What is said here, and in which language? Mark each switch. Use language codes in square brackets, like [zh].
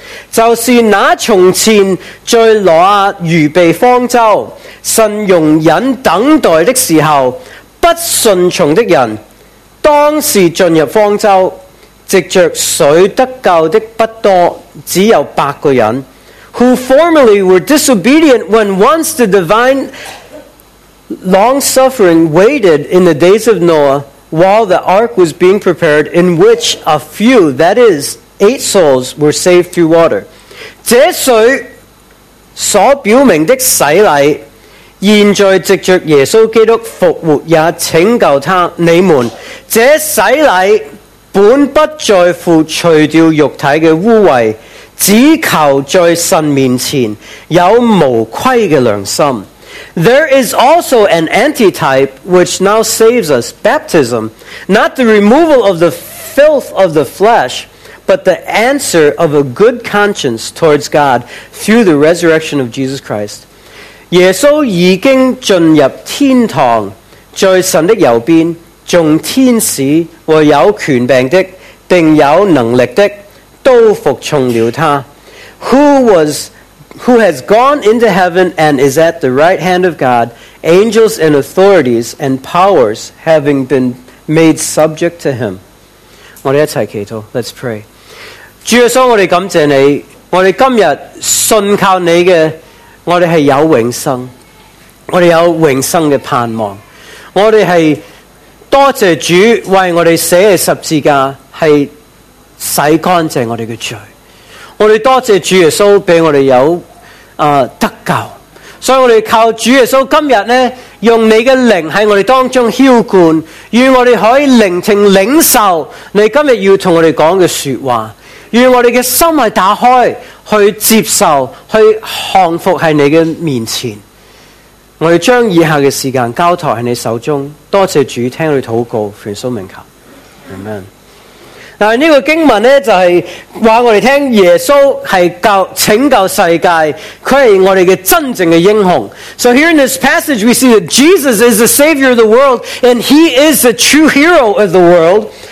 [zh] 就是那从前在挪亚预备方舟神容忍等待的时候，不顺从的人当时进入方舟，藉着水得救的不多，只有八个人。 [en] Who formerly were disobedient when once the divine long-suffering waited in the days of Noah while the ark was being prepared, in which a few, that is, eight souls were saved through water. [zh] 这水所表明的洗礼现在藉着耶稣基督复活也拯救他你们。这洗礼本不在乎除掉肉体的污秽，只求在神面前有无愧的良心。 [en] There is also an antitype which now saves us, baptism, not the removal of the filth of the flesh, but the answer of a good conscience towards God through the resurrection of Jesus Christ. [zh] 耶稣已经进入天堂，在神的右边，众天使和有权柄的，并有能力的，都服从了他。 [en] Who has gone into heaven and is at the right hand of God, angels and authorities and powers having been made subject to him. [zh] 我们一起祈祷， [en] let's pray. [zh] 主耶稣，我们感谢你，我们今日信靠你的我们是有永生，我们有永生的盼望，我们是多谢主为我们写的十字架是洗干净我们的罪，我们多谢主耶稣给我们有得救，所以我们靠主耶稣今天呢用你的灵在我们当中浇灌，愿我们可以聆听领受你今天要跟我们讲的说话，愿我们的心是打开去接受，去降服在你的面前。我们将以下的时间交托在你手中，多谢主听我们祷告，奉主名求， Amen。这个经文呢就是告诉我们耶稣是拯救世界，他是我们的真正的英雄。 [en] So here in this passage we see that Jesus is the savior of the world and he is the true hero of the world.